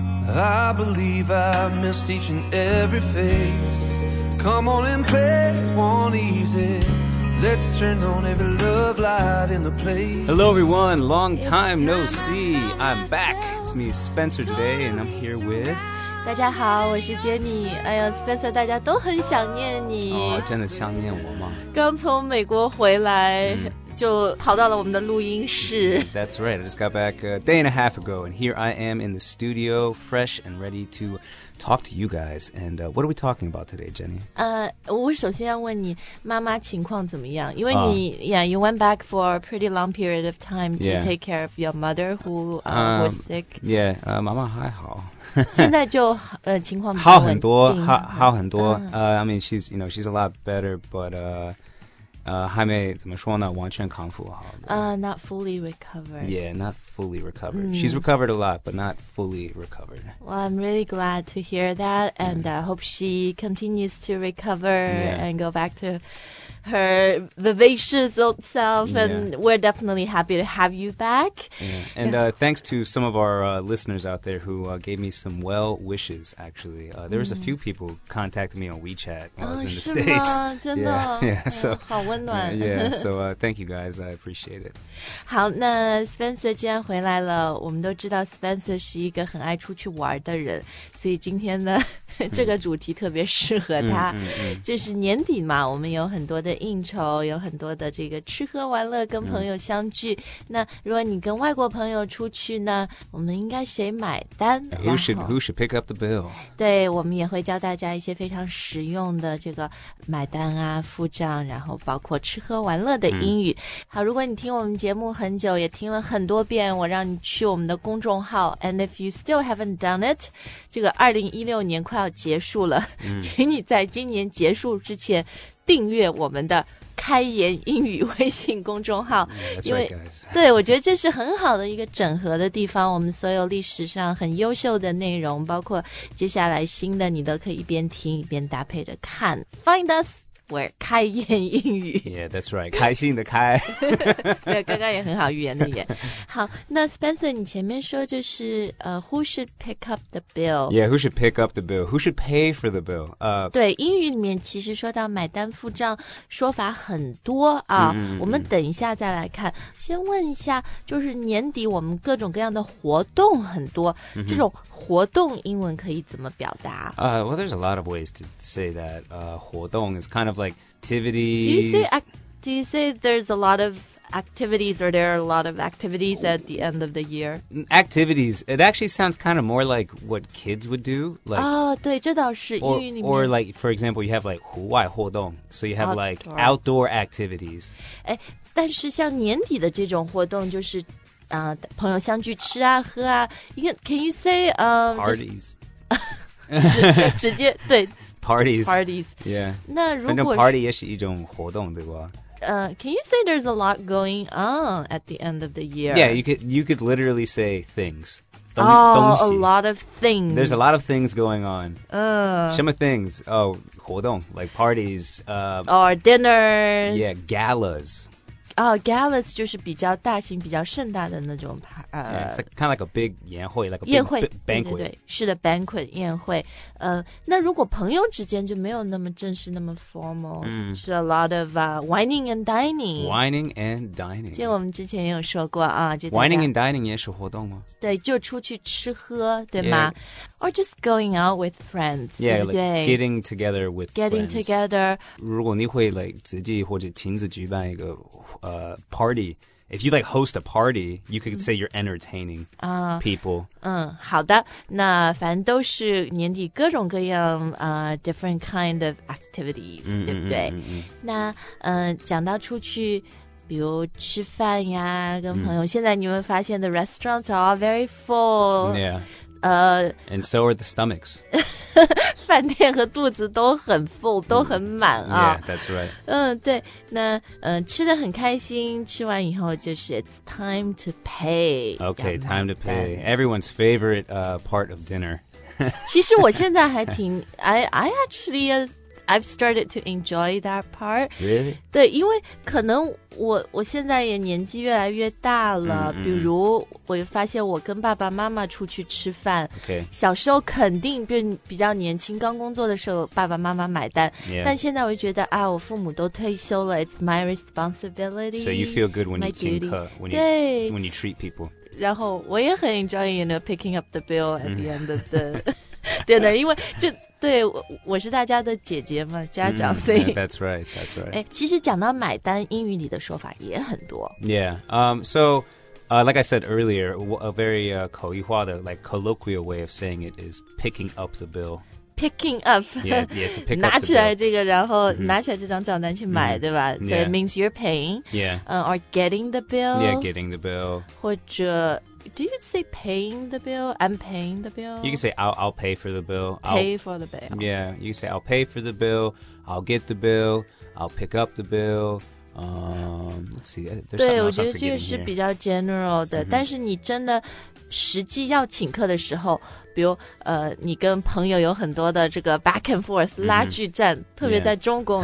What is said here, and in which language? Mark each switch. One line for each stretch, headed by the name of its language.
English: I believe I missed each and every face. Come on and play one easy. Let's turn on every love light in the place. Hello everyone, long time no see. I'm back. It's me, Spencer, today, and I'm here with...
Chinese: 大家好，我是 Jenny。哎呀 Spencer， 大家都很想念你。哦，真的想念我吗？刚从美国回来，就跑到了我们的录音室。
English: That's right, I just got back a day and a half ago, and here I am in the studio, fresh and ready to talk to you guys. And what are we talking about today, Jenny?
Chinese: 我首先要问你妈妈情况怎么样，因为你、
English: yeah, you went back for a pretty long period of time to、 yeah. take care of your mother who was sick.
Chinese: Yeah, 妈妈还好。现在就情况好很多，好很多。
English: I mean, she's, you know, she's a lot better, but...
Chinese: 还没怎么说呢，完全康复好。
English: Not fully recovered. Yeah, not fully recovered.、Mm. She's recovered a lot, but not fully recovered. Well, I'm really glad to hear that, and I hope she continues to recover、 yeah. and go back to her vivacious old self. And、 yeah. we're definitely happy to have you back. Yeah. And thanks to some of our listeners out there who gave me some well wishes, actually. There was a few people contacted me on WeChat while I was in the States.
Chinese: 真的
English: yeah, so...
Chinese: 温暖
English: yeah, so thank you guys, I appreciate it.
Chinese: 好，那 Spencer 既然回来了，我们都知道 Spencer 是一个很爱出去玩的人，所以今天呢，这个主题特别适合他。就是年底嘛，我们有很多的应酬，有很多的这个吃喝玩乐，跟朋友相聚。那如果你跟外国朋友出去呢，我们应该谁买单？
English: Who should pick up the bill?
Chinese: 对，我们也会教大家一些非常实用的这个买单啊，付账，然后包括吃喝玩乐的英语。好，如果你听我们节目很久，也听了很多遍，我让你去我们的公众号。
English: And if you still haven't done it,
Chinese: 这个2016年快要结束了，请你在今年结束之前订阅我们的开言英语微信公众号。因为
English: right, guys.
Chinese: 对，我觉得这是很好的一个整合的地方，我们所有历史上很优秀的内容，包括接下来新的，你都可以一边听一边搭配着看。
English: Find us where 开言英语。 Yeah, that's right,
Chinese: 开心的开。对，刚刚也很好，语言的语言。好，那 Spencer 你前面说就是
English: who should pick up the bill. Yeah, who should pick up the bill, who should pay for the bill.
Chinese: 对，英语里面其实说到买单付账说法很多啊。我们等一下再来看，先问一下，就是年底我们各种各样的活动很多，这种活动英文可以怎么表达？
English: Well, there's a lot of ways to say that. 活动 is kind of like activities. Do you say there's a lot of activities, or there are a lot of activities at the end of the year? Activities. It actually sounds kind of more like what kids would do. Like,
Chinese: 对，这倒是英语里面。
English: Or like, for example, you have like 户外活动. So you have like outdoor activities.
Chinese: 但是像年底的这种活动就是朋友相聚吃啊喝啊。
English: Can you say parties?
Chinese: 直接对
English: parties. Yeah.
Chinese: 那如果是 I know party 也是一种活动对吧？
English: Can you say there's a lot going on at the end of the year? Yeah, you could literally say things. A lot of things. There's a lot of things going on.
Chinese: 什么
English: things? Oh, 活动 like parties. Or dinners. Yeah, galas.
Chinese: Galas 就是比较大型比较盛大的那种
English: yeah, it's like, kind of like a big 宴会 like a big
Chinese: 宴会
English: banquet.
Chinese: 对对对，是的 banquet 宴会。那如果朋友之间就没有那么正式那么 formal, 是
English: a lot of wining and dining.
Chinese: 就我们之前也有说过啊，就 wining and dining 也是活动吗？对，就出去吃喝对吗、
English: yeah. or just going out with friends. Yeah,
Chinese: 对对、
English: like、getting together with getting、 friends. together.
Chinese: 如果你会 like 自己或者亲自举办一个party,
English: if you like host a party, you could say you're entertaining people.
Chinese: 好的，那反正都是年底各种各样
English: different kind of activities,
Chinese: 对不对？那讲到出去，比如吃饭呀，跟朋友，现在你们发现
English: the restaurants are all very full. Yeah. And so are the stomachs.
Chinese: 饭店和肚子都很 full, 都很满啊。
English: Yeah, that's right.
Chinese: 对，那吃得很开心，吃完以后就是
English: it's time to pay. Okay, time to pay. Everyone's favorite part of dinner.
Chinese: 其实我现在还挺
English: I actually I've started to enjoy that part. Really?
Chinese: 对，因为可能我现在也年纪越来越大了、mm-hmm. 比如我发现我跟爸爸妈妈出去吃饭、
English: okay.
Chinese: 小时候肯定比较年轻刚工作的时候爸爸妈妈买单、
English: yeah.
Chinese: 但现在我就觉得啊，我父母都退休了
English: It's my responsibility So you feel good when you think her when you treat people
Chinese: 然后我也很 enjoy
English: you know, picking up the bill at the end of the dinner
Chinese: 因为就对 我是大家的姐姐嘛家长、mm, yeah,
English: That's right, that's right
Chinese: 诶其实讲到买单英语里的说法也很多
English: Yeah, so、like I said earlier A very
Chinese: 口语化的
English: like colloquial way of saying it is picking up the bill Picking up, yeah, to pick
Chinese: 拿起来这个然后拿起来这张账单去买、mm-hmm. 对吧
English: yeah. So it means you're paying Yeah、 or getting the bill Yeah, getting the bill 或者 Do you say paying the bill? I'm paying the bill You can say I'll pay for the bill Pay for the bill Yeah, you can say I'll pay for the bill I'll get the bill I'll pick up the bill let's see There's
Chinese: 对我觉得这个是比较 general 的、mm-hmm. 但是你真的实际要请客的时候比如你跟朋友有很多的这个
English: back and forth、
Chinese: mm-hmm. 拉锯战特别在中国、